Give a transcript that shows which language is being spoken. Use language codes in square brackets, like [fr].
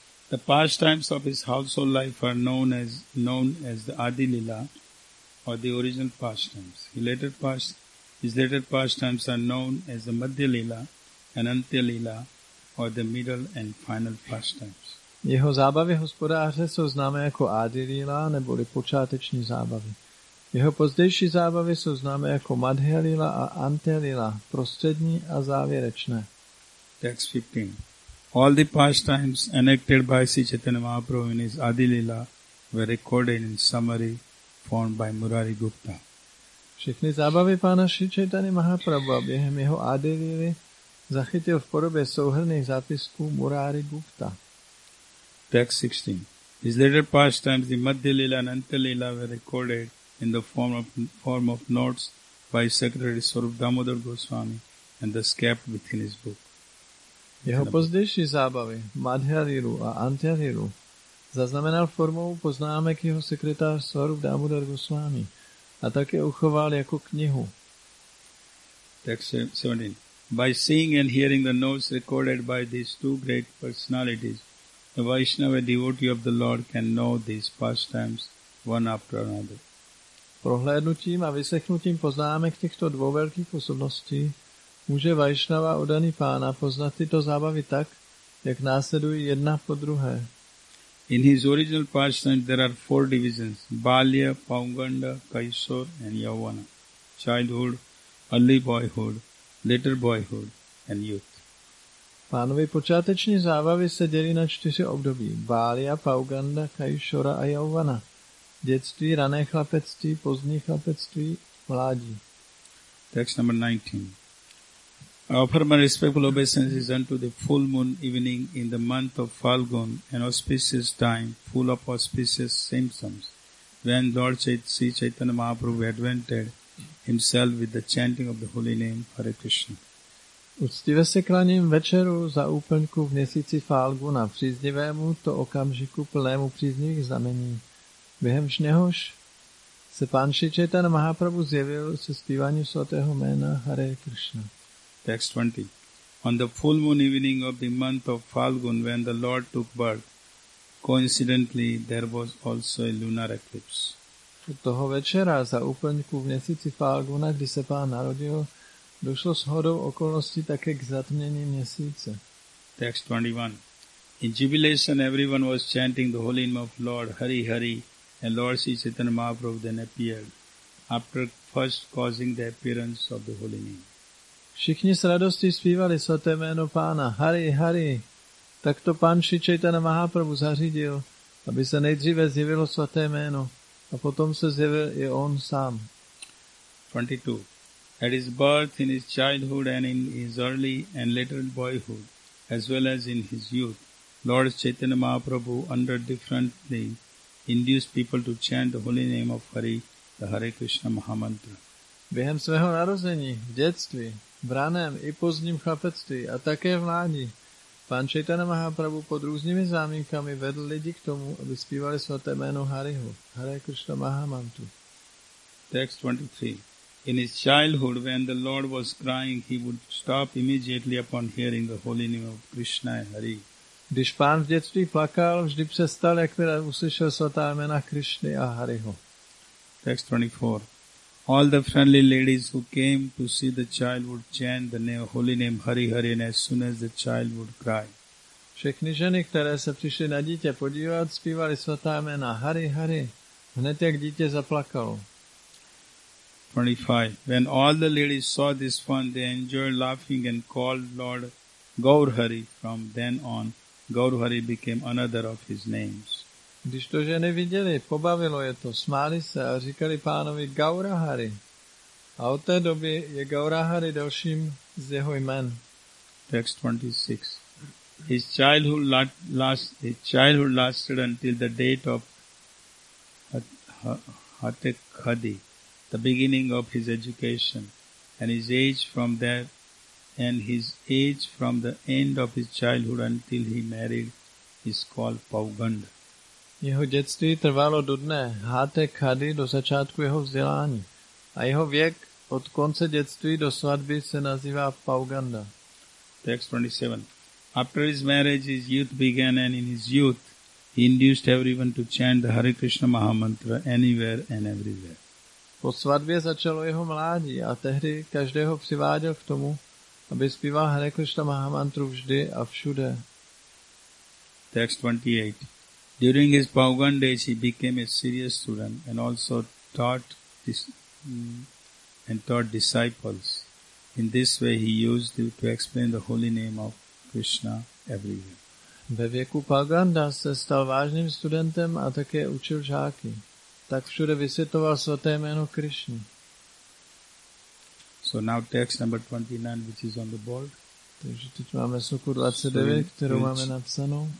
[en] The pastimes of his household life are known as the Adi Lila, or the original pastimes. His later pastimes are known as the Madhya Lila and Antya Lila, or the middle and final pastimes. [cs] Jeho zábavy hospodáře jsou známé jako Adi Lila, neboli počáteční zábavy. Jeho pozdější zábavy jsou známé jako Madhya Lila a Antya Lila, prostřední a závěrečné. [en] Text 15. All the pastimes enacted by Sri Chaitanya Mahaprabhu in his Adi Lila were recorded in summary form by Murari Gupta. [cs] Všechny zábavy pána Sri Chaitanya Mahaprabhu během jeho Adi Lily zachytil v podobě souhrnných zápisků Murari Gupta. [en] Text 16. His later pastimes, the Madhya Lila and Antya Lila, were recorded in the form of notes by Secretary Swarup Damodar Goswami and the scap within his book. [cs] Jeho pozdější zábavy, Madhyariru a Antyariru, zaznamenal formou poznámek jeho sekretář Swarup Damodar Goswami a také uchoval jako knihu. [en] Text 17. By seeing and hearing the notes recorded by these two great personalities, a Vaishnava devotee of the Lord can know these pastimes one after another. [cs] Prohlédnutím a vyslechnutím poznámek těchto dvou velkých osobností může Vaishnava oddaný pána poznat tyto zábavy tak, jak následují jedna po druhé. [en] In his original pastimes there are four divisions: Balya, Paunganda, Kaisor and Yavana. Childhood, early boyhood, later boyhood and youth. [cs] Pánovi počáteční zábavy se dělí na čtyři období: Balya, Paunganda, Kaisora a Yavana. Dětství, rané chlapectví, pozdní chlapectví, mládí. [en] Text number 19. I offer my respectful obeisances unto the full moon evening in the month of Falgun, an auspicious time, full of auspicious symptoms, when Lord Chaitanya Mahaprabhu adventured himself with the chanting of the holy name Hare Krishna. [cs] Uctivě se klaním večeru za úplňku v měsíci Falguna, příznivému to okamžiku plnému příznivých znamení, během čehož se pán Sri Chaitanya Mahaprabhu zjevil se zpívaním svatého jména Hare Krishna. [en] Text 20. On the full moon evening of the month of Falgun, when the Lord took birth, coincidentally there was also a lunar eclipse. [cs] Toho večera za úplňku v měsíci Falguna, kdy se pán narodil, došlo shodou okolností také k zatmění měsíce. [en] Text 21. In jubilation everyone was chanting the holy name of Lord Hari Hari, and Lord Sri Chaitanya Mahaprabhu then appeared, after first causing the appearance of the holy name. [cs] Všichni s radostí zpívali svaté jméno pána Hari Hari. Tak to pán Sri Chaitanya Mahaprabhu zařídil, aby se nejdříve zjevilo svaté jméno a potom se zjevil i on sám. [en] 22. At his birth, in his childhood and in his early and later boyhood, as well as in his youth, Lord Chaitanya Mahaprabhu under different names induced people to chant the holy name of Hari, the Hare Krishna Mahamantra. [cs] Během svého narození, v dětství, v raném i pozdním chlapectví a také v mládí, pán Chaitanya Mahaprabhu pod různými záminkami vedl lidi k tomu, aby zpívali svaté jméno Hariho, Hare Krishna Mahamantra. [en] Text 23. In his childhood, when the Lord was crying, he would stop immediately upon hearing the holy name of Krishna and Hari. [cs] Když pán v dětství plakal, vždy přestal, jakmile uslyšel svatá jména Krišny a Hariho. [en] Text 24. All the friendly ladies who came to see the child would chant the name, holy name Hari Hari, and as soon as the child would cry. [cs] Všechny ženy, které se přišly na dítě podívat, zpívali svatá jména Hari Hari, hned jak dítě zaplakalo. [en] 25. When all the ladies saw this fun, they enjoyed laughing and called Lord Gaur Hari. From then on, Gaur Hari became another of his names. [cs] Když to ženy viděli, pobavilo je to, smáli se a říkali pánovi Gaurahari. A od té doby je Gaurahari dalším z jeho jmen. [en] Text 26. His childhood lasted until the date of Hatekhadi, the beginning of his education, and his age from there, and his age from the end of his childhood until he married is called Pauganda. [cs] Jeho dětství trvalo do dne Hatekhadi, do začátku jeho vzdělání, a jeho věk od konce dětství do svatby se nazývá Pauganda. [en] Text 27. After his marriage, his youth began, and in his youth, he induced everyone to chant the Hare Krishna Mahamantra anywhere and everywhere. [cs] Po svatbě začalo jeho mládí a tehdy každého přiváděl k tomu, aby zpíval Hare Krishna Mahamantru vždy a všude. [en] Text 28. During his Paugan days, he became a serious student and also taught disciples. In this way, he used to explain the holy name of Krishna everywhere. [cs] Ve věku Pauganda se stal vážným studentem a také učil žáky. Tak všude vysvětoval svaté jméno Krishna. [en] So now text number 29, which is on the board. [cs] Takže teď máme soku 29, kterou máme napsanou.